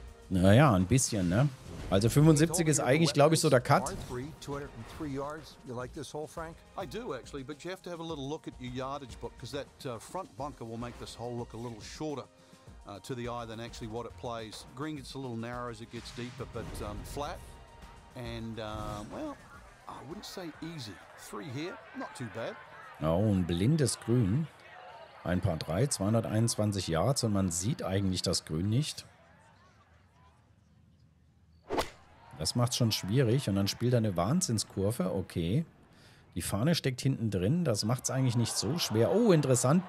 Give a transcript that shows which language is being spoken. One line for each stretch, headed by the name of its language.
German: Naja, ein bisschen, ne? Also 75 ist eigentlich, glaube ich, so der Cut.
English: You like this hole, Frank? I do actually, but you have to have a little look at your yardage book, because that front bunker will make this hole look a little shorter to the eye than actually what it plays. Green gets a little narrow as it gets deeper, but flat and well, I wouldn't say easy. Three here, not too bad.
German: Oh, ein blindes Grün. Ein paar 3, 221 Yards und man sieht eigentlich das Grün nicht. Das macht es schon schwierig. Und dann spielt er eine Wahnsinnskurve. Okay. Die Fahne steckt hinten drin. Das macht es eigentlich nicht so schwer. Oh, interessant.